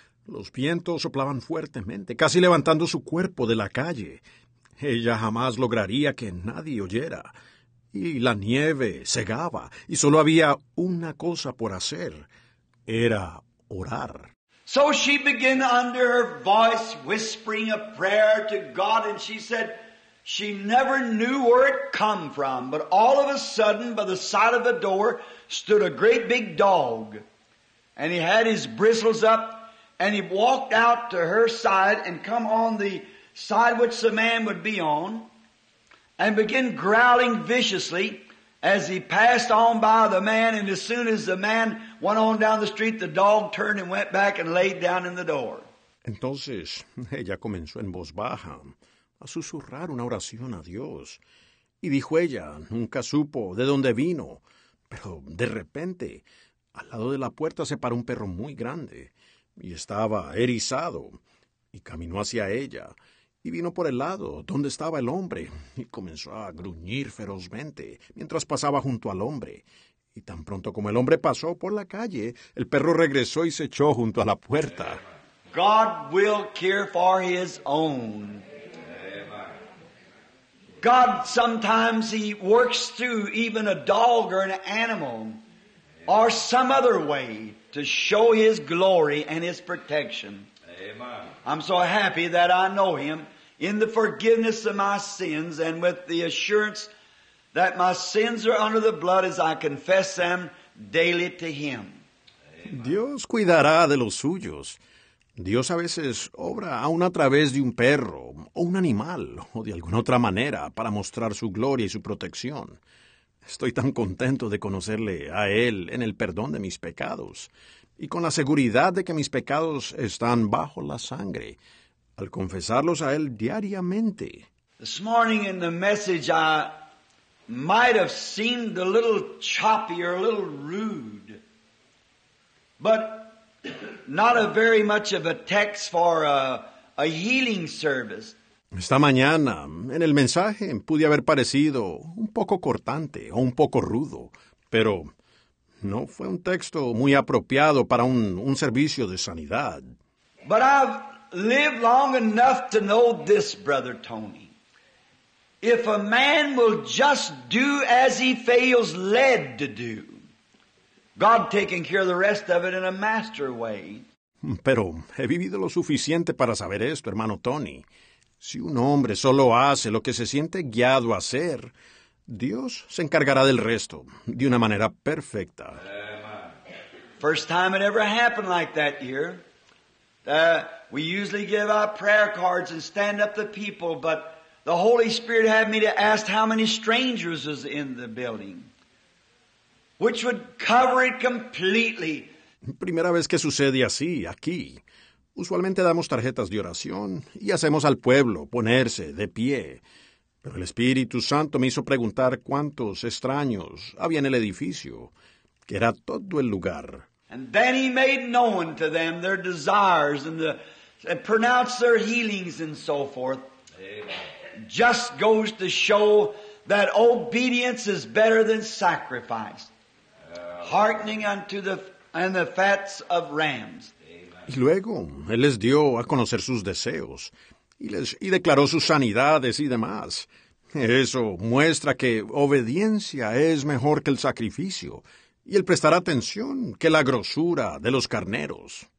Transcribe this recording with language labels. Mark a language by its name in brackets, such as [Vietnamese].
[Spanish] Los vientos soplaban fuertemente, casi levantando su cuerpo de la calle. Ella jamás lograría que nadie oyera. Y la nieve cegaba, y solo había una cosa por hacer. Era orar. [English] So she began under her voice whispering a prayer to God, and she said she never knew where it come from, but all of a sudden, by the side of the door, stood a great big dog. And he had his bristles up, and he walked out to her side and come on the side which the man would be on and begin growling viciously as he passed on by the man. And as soon as the man went on down the street, the dog turned and went back and laid down in the door. [Spanish] Entonces, ella comenzó en voz baja a susurrar una oración a Dios. Y dijo ella, nunca supo de dónde vino, pero de repente, al lado de la puerta se paró un perro muy grande, y estaba erizado, y caminó hacia ella, y vino por el lado donde estaba el hombre, y comenzó a gruñir ferozmente mientras pasaba junto al hombre. Y tan pronto como el hombre pasó por la calle, el perro regresó y se echó junto a la puerta. [English] God will care for his own. God, sometimes he works through even a dog or an animal, or some other way to show his glory and his protection. Amen. I'm so happy that I know him in the forgiveness of my sins and with the assurance that my sins are under the blood as I confess them daily to him. [Spanish] Amen. Dios cuidará de los suyos. Dios a veces obra aún a través de un perro o un animal o de alguna otra manera para mostrar su gloria y su protección. Estoy tan contento de conocerle a Él en el perdón de mis pecados y con la seguridad de que mis pecados están bajo la sangre al confesarlos a Él diariamente. [English] This morning in the message I might have seemed a little choppy or a little rude, but not a very much of a text for a healing service. [Spanish] Esta mañana, en el mensaje, pude haber parecido un poco cortante o un poco rudo, pero no fue un texto muy apropiado para un servicio de sanidad. [English] But I've lived long enough to know this, Brother Tony. If a man will just do as he feels led to do, God taking care of the rest of it in a master way. [Spanish] Pero he vivido lo suficiente para saber esto, hermano Tony. Si un hombre solo hace lo que se siente guiado a hacer, Dios se encargará del resto de una manera perfecta. [English] First time it ever happened like that here. We usually give out prayer cards and stand up the people, but the Holy Spirit had me to ask how many strangers was in the building, which would cover it completely. [Spanish] Primera vez que sucede así, aquí. Usualmente damos tarjetas de oración y hacemos al pueblo ponerse de pie. Pero el Espíritu Santo me hizo preguntar cuántos extraños había en el edificio, que era todo el lugar. [English] And then he made known to them their desires and pronounced their healings and so forth. Amen. Just goes to show that obedience is better than sacrifice. Heartening unto the fats of rams. [Spanish] Y luego, él les dio a conocer sus deseos y declaró sus sanidades y demás. Eso muestra que obediencia es mejor que el sacrificio y el prestar atención que la grosura de los carneros.